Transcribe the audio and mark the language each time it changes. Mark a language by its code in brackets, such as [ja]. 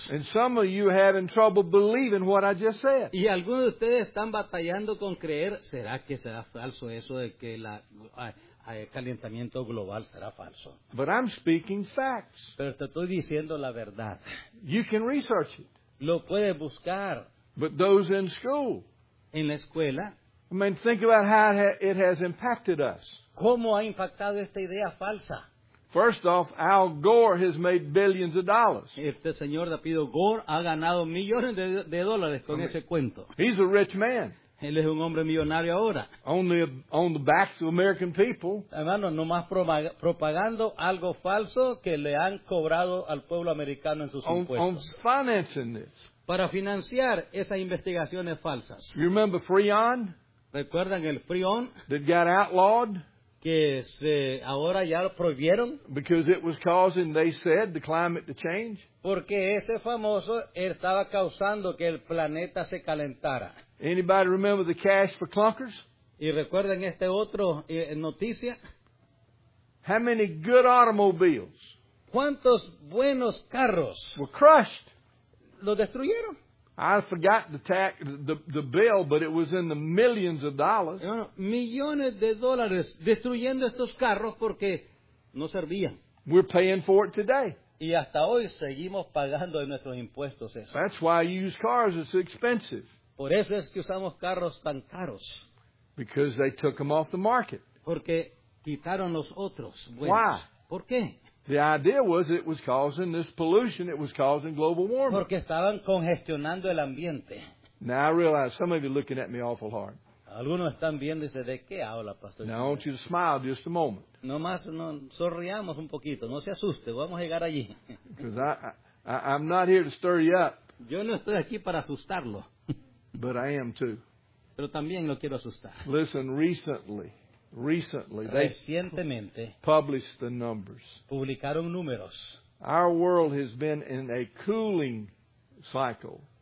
[en] And some of you having trouble believing what I just said. [es] Y algunos de ustedes están batallando con creer, ¿será que será falso eso de que el calentamiento global será falso? [en] But I'm speaking facts. [es] Pero te estoy diciendo la verdad. [en] You can research it. [es] Lo puede buscar. [en] But those in school. [es] En la escuela. [en] I mean, think about how it has impacted us. [es] ¿Cómo ha impactado esta idea falsa? [en] First off, Al Gore has made billions of dollars. [es] Este señor Pido Gore ha ganado millones de dólares con ese cuento. [en] He's a rich man. [es] Él es un hombre millonario ahora. [en] Only on the backs of American people. [es] Hermano, nomás propagando algo falso que le han cobrado al pueblo americano en sus impuestos. [en] On financing this. [es] Para financiar esas investigaciones falsas. [en] You remember Freon? [es] ¿Recuerdan el Freon? [en] That got outlawed? [es] Que se ahora ya lo prohibieron. [en] Because it was causing, they said, the climate to change. [es] Porque ese famoso estaba causando que el planeta se calentara. [en] Anybody remember the cash for clunkers? [es] ¿Y recuerdan este otro noticia? [en] How many good automobiles? [es] ¿Cuántos buenos carros? [en] Were crushed. [es] ¿Lo destruyeron? [en] I forgot the bill, but it was in the millions of dollars. [es] Bueno, millones de dólares destruyendo estos carros porque no servían. [en] We're paying for it today. [es] Y hasta hoy seguimos pagando de nuestros impuestos eso. [en] That's why used cars are so expensive. [es] Por eso es que usamos carros tan caros. [en] Because they took them off the market. [es] Porque quitaron los otros. [en] Why? [es] ¿Por qué? [en] The idea was it was causing this pollution, it was causing global warming. [es] Porque estaban congestionando el ambiente. [en] Now I realize some of you are looking at me awful hard. [es] Algunos están viendo y dicen, ¿de qué habla, Pastor? [en] Now I want you to smile just a moment. [es] Nomás sonriamos un poquito, no se asuste, vamos a llegar allí. [en] Because I'm not here to stir you up. [es] Yo no estoy aquí para asustarlo. [en] But I am too. [es] Pero también lo quiero asustar. [en] Listen, recently [es] recientemente, [en] they published the numbers. [es] Publicaron números. [en] Our world has been in a cooling cycle.